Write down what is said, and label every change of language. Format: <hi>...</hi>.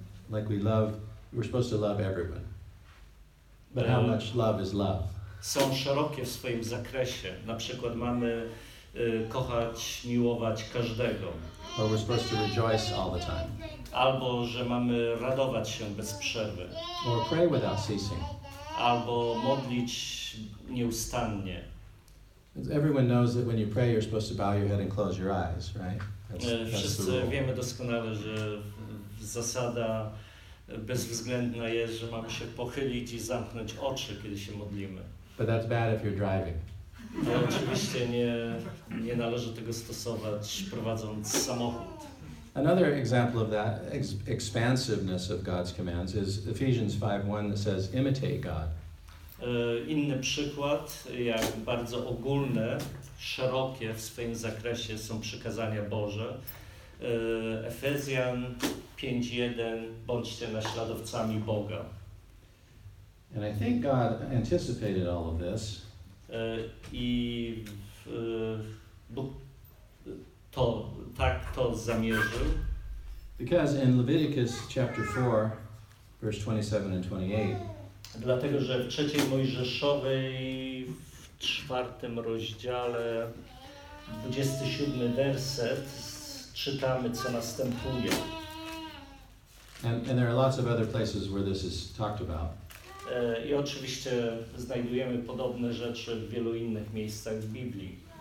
<en>like we love, we're supposed to love everyone. But how much love is love?</en> <pl>Są szerokie w swoim zakresie. Na przykład mamy kochać, miłować każdego.</pl> <en>Or we're supposed to rejoice all the time.</en> <pl>Albo że mamy radować się bez przerwy.</pl> <en>Or pray without ceasing.</en> <pl>Albo modlić nieustannie.</pl> <en>Everyone knows that when you pray, you're supposed to bow your head and close your eyes, right?</en> <pl>Wszyscy wiemy doskonale, że zasada bezwzględna jest, że mamy się pochylić i zamknąć oczy, kiedy się modlimy.</pl> <en>But that's bad if you're driving.</en> <pl>No, oczywiście nie należy tego stosować prowadząc samochód.</pl> <en>Another example of that expansiveness of God's commands is Ephesians 5:1 that says imitate God.</en> <pl>Inny przykład, jak bardzo ogólne, szerokie w swoim zakresie są przykazania Boże. Efezjan 5:1 bądźcie naśladowcami Boga.</pl> <en>And I think God anticipated all of this.</en> <pl>I Bóg to tak to zamierzył.</pl> <en>Because in Leviticus chapter 4, verse 27 and 28.</en> <pl>Dlatego, że w trzeciej Mojżeszowej, w czwartym rozdziale, 27 werset, czytamy, co następuje.</pl> <en>And there are lots of other places where this is talked about.</en> <pl>I oczywiście znajdujemy podobne rzeczy w wielu innych miejscach w Biblii.</pl>